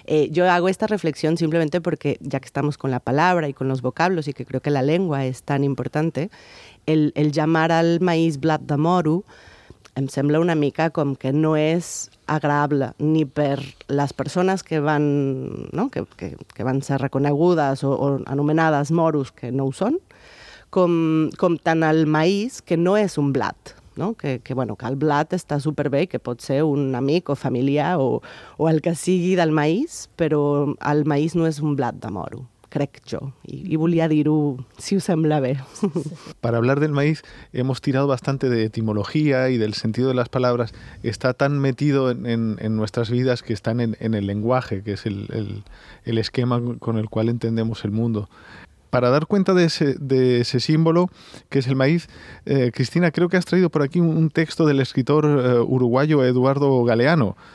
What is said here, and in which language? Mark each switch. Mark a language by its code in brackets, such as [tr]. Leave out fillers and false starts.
[es] Yo hago esta reflexión simplemente porque, ya que estamos con la palabra y con los vocablos y que creo que la lengua es tan importante, el llamar al maíz blat de moro [ca] me sembla una mica [es] como que no es agradable [ca] ni per [es] las personas que van, ¿no? que van a ser [ca] reconegudes [es] o anomenadas moros, que no son, com tant el maíz, [ca] que no és un blat, no? Que, bueno, que el blat està superbé i que pot ser un amic o familiar o el que sigui del maíz, però el maíz no és un blat de moro, crec jo. I volia dir-ho, si us sembla bé. [es] Para hablar del maíz hemos tirado bastante de etimología y del sentido de las palabras. Está tan metido en nuestras vidas que están en el lenguaje, que es el esquema con el cual entendemos el mundo. Para dar cuenta de ese símbolo que es el maíz, Cristina, creo que has traído por aquí un texto del escritor uruguayo Eduardo Galeano.